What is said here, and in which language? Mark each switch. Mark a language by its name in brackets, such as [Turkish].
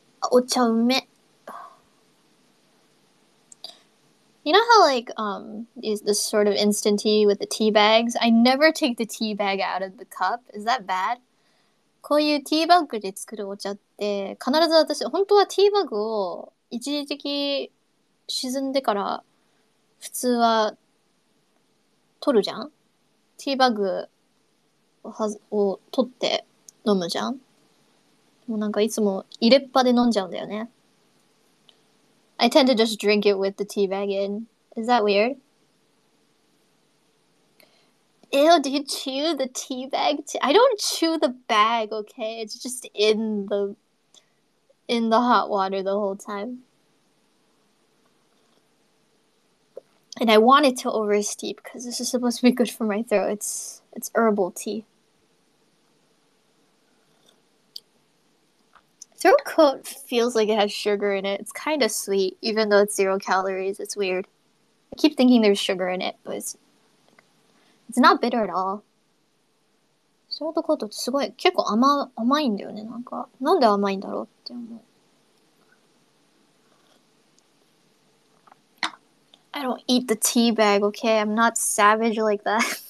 [Japanese] お茶うめ。 [English] You know how like is this sort of instant tea with the tea bags? I never take the tea bag out of the cup. Is that bad? [Japanese] こういうティーバッグで作るお茶って必ず私本当はティーバッグを一時的沈んでから普通は取るじゃん。ティーバッグを取って飲むじゃん。もうなんかいつも入れっぱで飲んじゃうんだよね。 [English] I tend to just drink it with the tea bag in. Is that weird? Ew, do you chew the tea bag? I don't chew the bag, okay? It's just in the hot water the whole time. And I want it to oversteep because this is supposed to be good for my throat. It's herbal tea. Throat coat feels like it has sugar in it. It's kind of sweet, even though it's 0 calories. It's weird. I keep thinking there's sugar in it, but it's not bitter at all. [Japanese] ショートコートってすごい、結構甘いんだよね、なんか。なんで甘いんだろうって思う。 [English] I don't eat the tea bag, okay? I'm not savage like that.